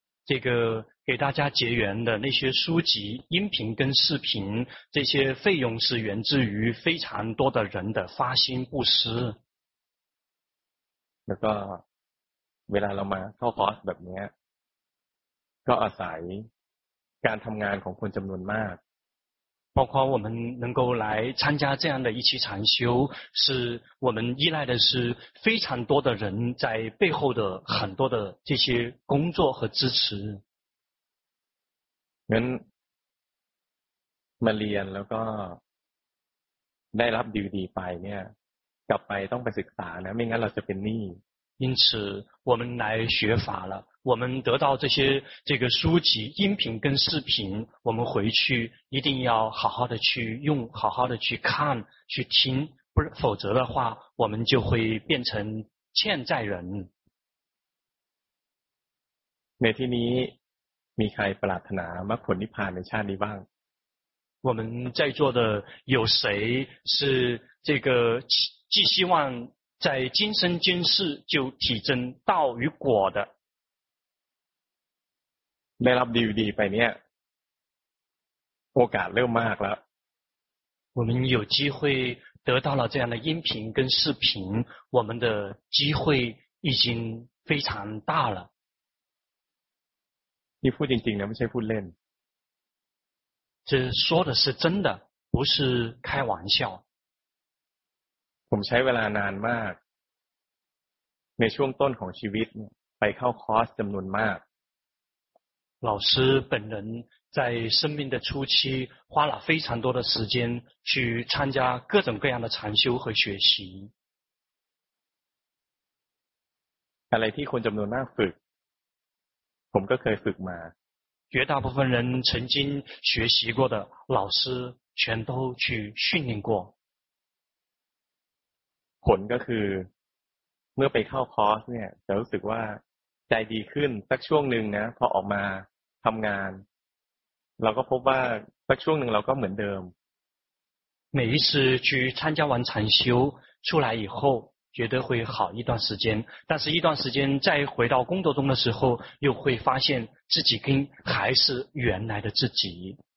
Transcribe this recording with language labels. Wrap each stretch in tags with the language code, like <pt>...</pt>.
<zh>这个给大家结缘的那些书籍、音频跟视频，这些费用是源自于非常多的人的发心布施。</zh> <th>แล้วก็เวลาเรามาเข้าคอร์สแบบนี้ก็อาศัยการทำงานของคนจำนวนมาก</th> <zh>包括我们能够来参加这样的一期禅修，是我们依赖的是非常多的人在背后的很多的这些工作和支持。</zh> <th>งั้นมาเรียนแล้วก็ได้รับดีดีไปเนี่ยกลับไปต้องไปศึกษานะไม่งั้นเราจะเป็นหนี้</th> <zh>因此我们来学法了，我们得到这些这个书籍音频跟视频，我们回去一定要好好的去用，好好的去看去听，不是否则的话我们就会变成欠债人。</zh> <th>ในที่นี้มีใครปรารถนามรรคผลนิพพานในชาตินี้บ้าง</th> <zh>我们在座的有谁是这个寄希望在今生今世就体证道与果的。</zh> <th>ได้รับดีดีไปเนี่ยโอกาสเริ่มมากแล้ว</th> <zh>我们有机会得到了这样的音频跟视频，我们的机会已经非常大了。</zh> <th>นี่พูดจริงๆนะไม่ใช่พูดเล่น</th> <zh>这说的是真的，不是开玩笑。</zh> <th>ผมใช้เวลานานมากในช่วงต้นของชีวิตไปเข้าคอร์สจำนวนมาก</th> <zh>老师本人在生命的初期花了非常多的时间去参加各种各样的禅修和学习</zh> <th>อะไรที่คนจำนวนมากฝึกผมก็เคยฝึกมา</th> <zh>绝大部分人曾经学习过的老师全都去训练过</zh> <th>ผลก็คือเมื่อไปเข้าคอร์สเนี่ยจะรู้สึกว่าใจดีขึ้นสักช่วงนึงนะพอออกมาทำงานเราก็พบว่าสักช่วงนึงเราก็เหมือนเดิม</th> <zh>每一次去参加完禅修出来以后觉得会好一段时间但是一段时间再回到工作中的时候又会发现自己跟还是原来的自己</zh>